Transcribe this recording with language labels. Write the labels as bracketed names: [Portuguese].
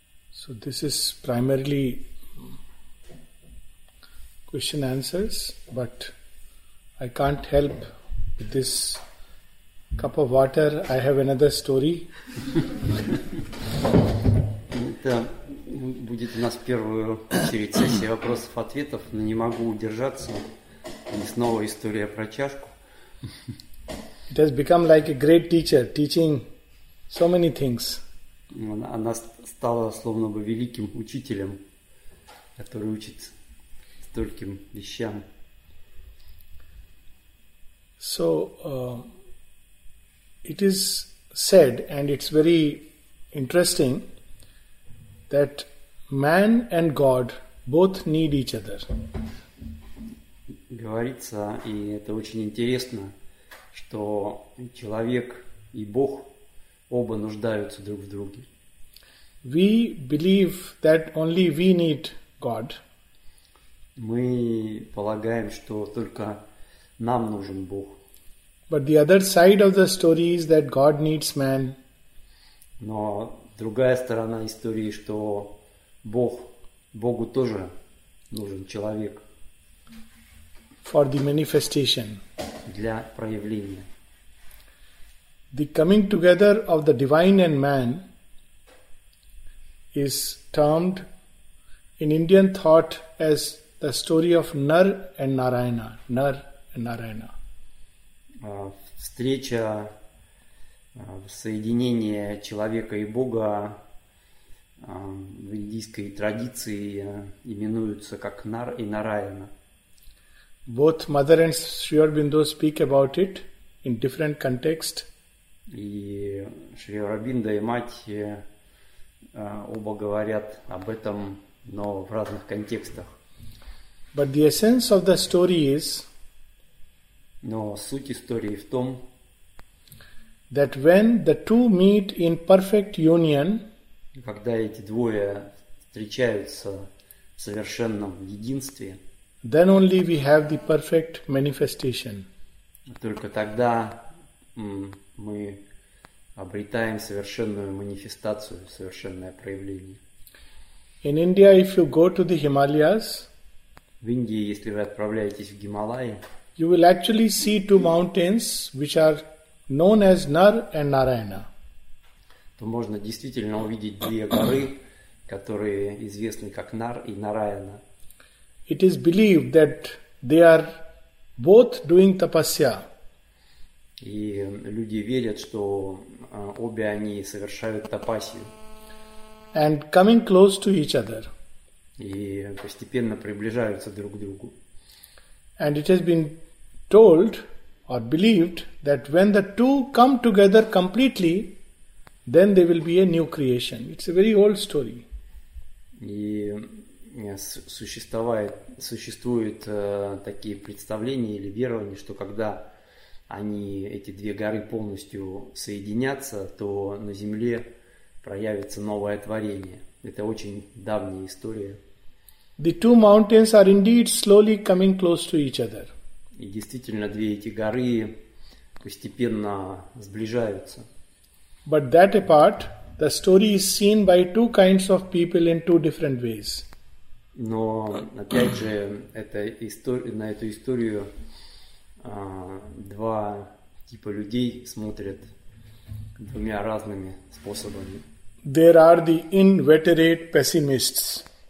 [English] So this is primarily question answers, but I can't help with this cup of water. I have another story. [Russian] Это будет у нас первая очередь сессии вопросов-ответов, но не могу удержаться. И снова история про чашку. [English] It has become like a great teacher, teaching so many things. [Russian] Она стала словно бы великим учителем, который учит стольким вещам. [English] So, it is said, and it's very interesting, that man and God both need each other. [Russian] Говорится, и это очень интересно, что человек и Бог оба нуждаются друг в друге. [English] We believe that only we need God. [Russian] Мы полагаем, что только нам нужен Бог. [English] But the other side of the story is that God needs man. [Russian] Но другая сторона истории, что Богу тоже нужен человек. [English] For the manifestation. [Russian] Для проявления. [English] The coming together of the divine and man is termed in Indian thought as the story of Nar and Narayana. Nar and Narayana. [Russian] Встреча, соединение человека и Бога в индийской традиции именуются как Нар и Нараяна. [English] Both Mother and Sri Aurobindo speak about it in different context. [Russian] И Шри Аурабиндо и мать оба говорят об этом, но в разных контекстах. [English] But the essence of the story is, [Russian] но суть истории в том, [English] that when the two meet in perfect union, [Russian] когда эти двое встречаются в совершенном единстве, [English] then only we have the perfect manifestation. [Russian] Только тогда мы обретаем совершенную манифестацию, совершенное проявление. [English] In India, if you go to the Himalayas, [Russian] в Индии, если вы отправляетесь в Гималаи, [English] you will actually see two mountains which are known as Nar and Narayana. [Russian] То можно действительно увидеть две горы, которые известны как Нар и Нараяна. [English] It is believed that they are both doing tapasya. [Russian] И люди верят, что обе они совершают тапасию. [English] And coming close to each other. [Russian] И постепенно приближаются друг к другу. [English] And it has been told or believed that when the two come together completely, then there will be a new creation. It's a very old story. [Russian] И существуют такие представления или верования, что когда они, эти две горы, полностью соединятся, то на Земле проявится новое творение. Это очень давняя история. [English] The two mountains are indeed slowly coming close to each other. [Russian] И действительно, две эти горы постепенно сближаются. [English] But that apart, the story is seen by two kinds of people in two different ways. [Russian] Но, опять же, на эту историю два типа людей смотрят двумя разными способами. [English] There are the inveterate pessimists.